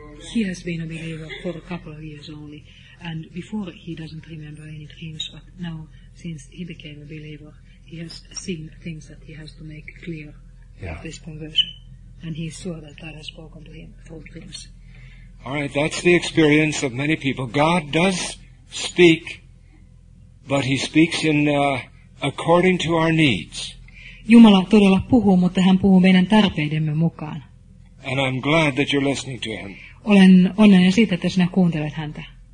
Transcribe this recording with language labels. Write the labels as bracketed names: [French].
[English] He has been a believer for a couple of years only, and before he doesn't remember any dreams, but now, since he became a believer, he has seen things that he has to make clear yeah. of this conversion, and he is sure that God has spoken to him through dreams. All right, that's the experience of many people. God does speak, but he speaks in according to our needs. [Finnish] Jumala todella puhuu, mutta hän puhuu meidän tarpeidemme mukaan. [English] And I'm glad that you're listening to him. [Finnish] Olen onnellinen siitä, että sinä kuuntelet häntä.